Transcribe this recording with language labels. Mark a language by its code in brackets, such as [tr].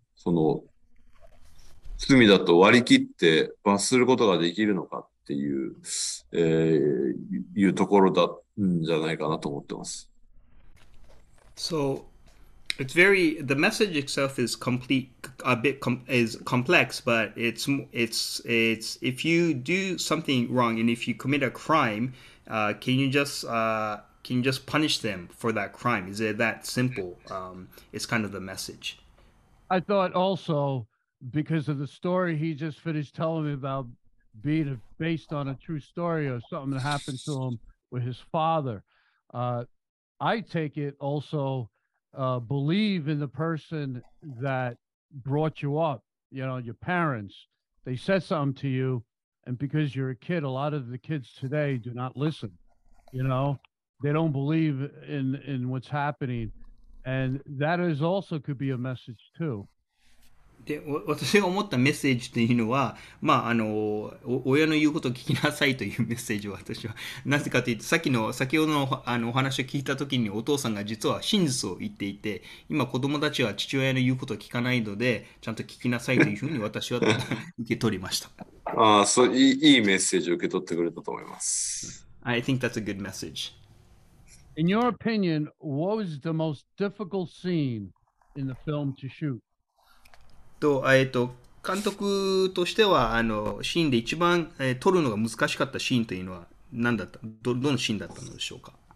[ja] その罪だと割り切って罰することができるのかっていう、いうところだんじゃないかなと思ってます。 [en] So it's very the message itself is complex, but it's if you do something wrong and if you commit a crime, can you just punish them for that crime? Is it that simple? It's kind of the message. I thought also because of the story he just finished telling me about being based on a true story or something that happened to him with his father. I take it also believe in the person that brought you up, you know, your parents. They said something to you, and because you're a kid, a lot of the kids today do not listen, you know. They don't believe in what's happening. And that is also could be a message too. [ja] で、私が思ったメッセージというのは、まあ、あの、親の言うことを聞きなさいというメッセージを私は、なぜかというと、先ほどの、あの、お話を聞いたときにお父さんが実は真実を言っていて、今子供たちは父親の言うことを聞かないので、ちゃんと聞きなさいというふうに私は受け取りました。ああ、そう、いいメッセージを受け取ってくれたと思います。 [en] I think that's a good message. In your opinion, what was the most difficult scene in the film to shoot? [ja] と、監督としては、あの、シーンで一番、撮るのが難しかったシーンというのは何だった？どのシーンだったのでしょうか？